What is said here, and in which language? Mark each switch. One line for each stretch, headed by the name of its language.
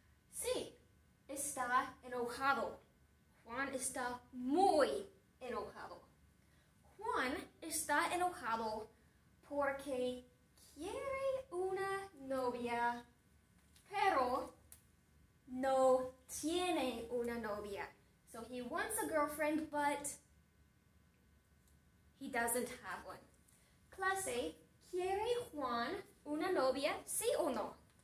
Spanish: Sí, está enojado. Juan está muy enojado. Juan está enojado porque quiere una novia, pero no tiene una novia.
English: So he wants a girlfriend, but he doesn't have one.
Spanish: Clase, ¿quiere Juan una novia, sí o no?